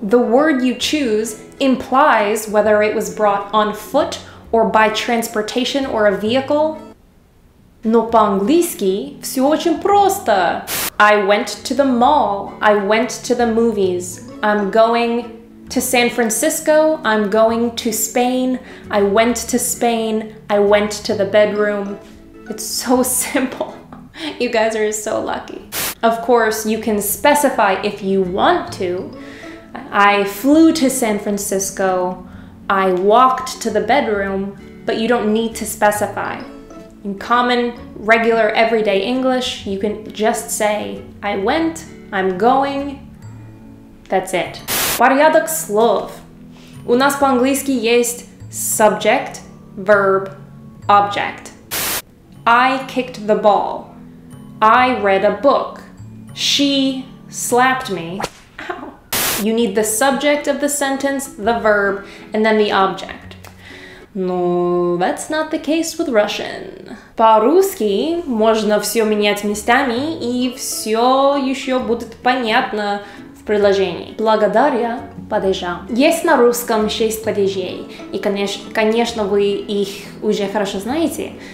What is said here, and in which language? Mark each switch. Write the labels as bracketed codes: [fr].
[en] The word you choose implies whether it was brought on foot or by transportation or a vehicle. [ru] Но по-английски все очень просто. [en] I went to the mall. I went to the movies. I'm going to San Francisco, I'm going to Spain, I went to Spain, I went to the bedroom. It's so simple. You guys are so lucky. Of course, you can specify if you want to. I flew to San Francisco, I walked to the bedroom, but you don't need to specify. In common, regular, everyday English, you can just say, I went, I'm going, that's it. [ru] Порядок слов. У нас по-английски есть subject, verb, object. [en] I kicked the ball. I read a book. She slapped me. Ow. You need the subject of the sentence, the verb, and then the object. Но that's not the case with Russian. [ru] По-русски можно все менять местами, и все еще будет понятно в предложении. Благодаря падежам. Есть на русском 6 падежей, и, конечно, вы их уже хорошо знаете.